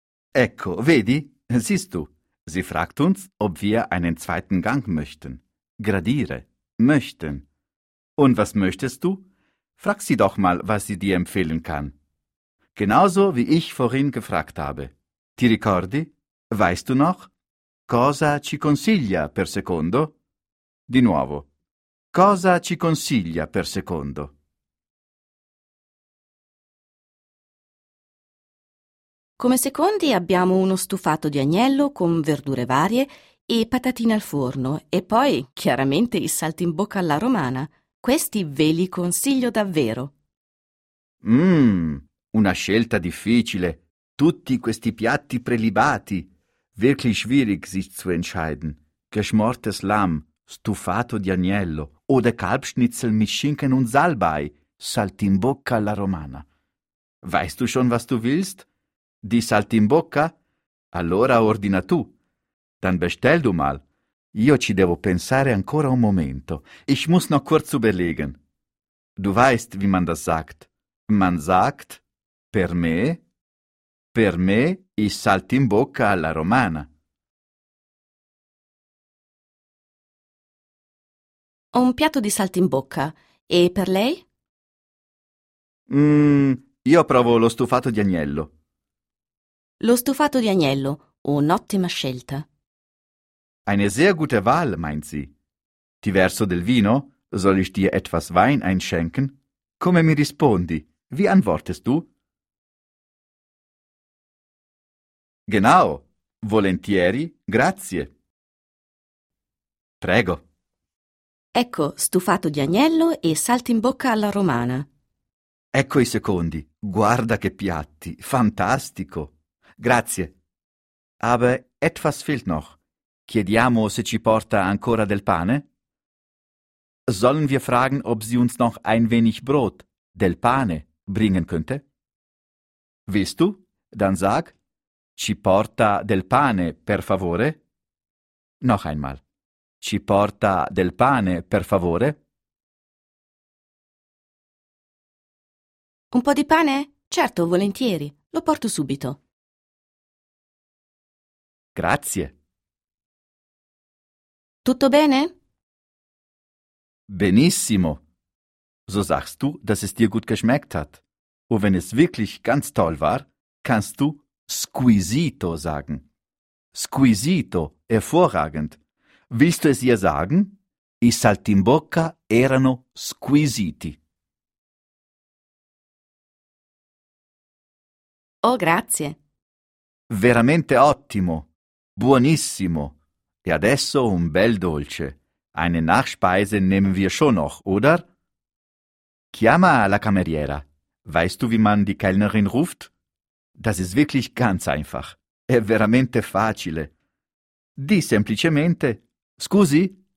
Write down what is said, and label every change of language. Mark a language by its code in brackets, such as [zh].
[it] Ecco, vedi? [de] Siehst du? Sie fragt uns, ob wir einen zweiten Gang möchten. Gradire, möchten. Und was möchtest du? Frag sie doch mal, was sie dir empfehlen kann. Genauso wie ich vorhin gefragt habe. [it] Ti ricordi? [de] Weißt du noch? [it] Cosa ci consiglia per secondo? Di nuovo. Cosa ci consiglia per secondo? Come secondi abbiamo uno stufato di agnello con verdure varie e patatine al forno e poi, chiaramente, il saltimbocca alla romana. Questi ve li consiglio davvero. Una scelta difficile. Tutti questi piatti prelibati. [de] Wirklich schwierig, sich zu entscheiden. Geschmortes Lamm, [it] stufato di agnello [de] oder Kalbschnitzel mit Schinken und Salbei, [it] saltimbocca alla romana. [de] Weißt du schon, was du willst? [it] Di saltimbocca? Allora ordina tu. [de] Dann bestell du mal. [it] Io ci devo pensare ancora un momento. [de] Ich muss noch kurz überlegen. Du weißt, wie man das sagt. Man sagt, [it] per me, i saltimbocca alla romana. Un piatto di saltimbocca. E per lei? Io provo lo stufato di agnello. Lo stufato di agnello, un'ottima scelta. [de] Eine sehr gute Wahl, meint sie. [it] Diverso del vino? [de] Soll ich dir etwas Wein einschenken? [it] Come mi rispondi? [de] Wie antwortest du? [it] Genau, volentieri, grazie. Prego. Ecco, stufato di agnello e saltimbocca alla romana. Ecco i secondi, guarda che piatti, fantastico. Grazie. [de] Aber etwas fehlt noch. [it] Chiediamo se ci porta ancora del pane? [de] Sollen wir fragen, ob sie uns noch ein wenig Brot, [it] del pane, [de] bringen könnte? Willst du? Dann sag, [it] ci porta del pane, per favore? [de] Noch einmal. [it] Ci porta del pane, per favore? Un po' di pane? Certo, volentieri. Lo porto subito. Grazie. Tutto bene? Benissimo. [de] So sagst du, dass es dir gut geschmeckt hat. Und wenn es wirklich ganz toll war, kannst du squisito sagen. Squisito, hervorragend. Willst du es ihr sagen? [it] I saltimbocca erano squisiti. Oh, grazie. Veramente ottimo. Buonissimo. E adesso un bel dolce. [de] Eine Nachspeise nehmen wir schon noch, oder? [it] Chiama la cameriera. [de] Weißt du, wie man die Kellnerin ruft? Das ist wirklich ganz einfach. [it] È veramente facile. Di semplicemente, scusi.